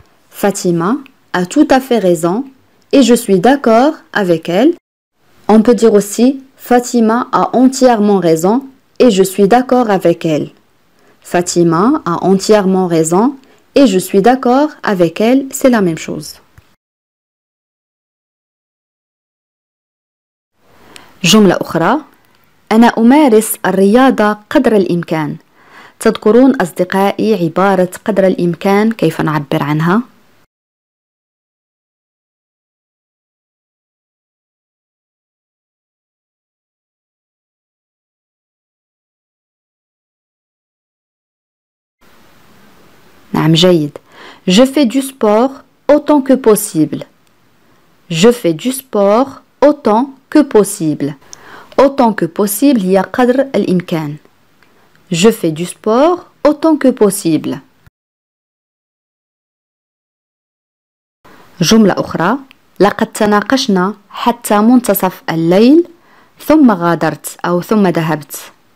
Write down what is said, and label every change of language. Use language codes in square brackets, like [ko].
[fr] Fatima a tout à fait raison et je suis d'accord avec elle. On peut dire aussi Fatima a entièrement raison et je suis d'accord avec elle. Fatima a entièrement raison et je suis d'accord avec elle, c'est la même chose. [ar] جملة أخرى. أنا أمارس الرياضة قدر الإمكان. تذكرون أصدقائي عبارة قدر الإمكان كيف نعبر عنها؟ نعم جيد. [fr] Je fais du sport autant que possible. Je fais du sport autant que possible. Autant que possible, il y a [ar] قدر الإمكان. [fr] Je fais du sport autant que possible. [ar] جملة أخرى. لقد تناقشنا حتى منتصف الليل ثم غادرت أو ثم ذهبت.